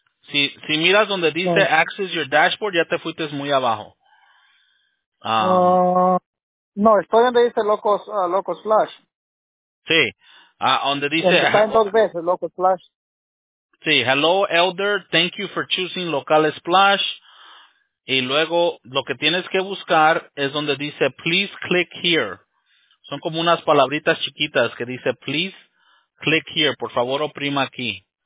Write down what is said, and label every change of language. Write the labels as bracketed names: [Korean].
[Spanish] Si miras donde dice, [English] access your dashboard, [Spanish] ya te fuiste muy abajo. No, estoy donde dice Local Splash. Sí, donde dice... Está en dos veces, Loco Splash. [English] Sí, hello, Elder, thank you for choosing Local Splash. [Spanish] Y luego, lo que tienes que buscar es donde dice, [English] please click here. [Spanish] Son como unas palabritas chiquitas que dice, [English] please click here, [Spanish] por favor, oprima aquí.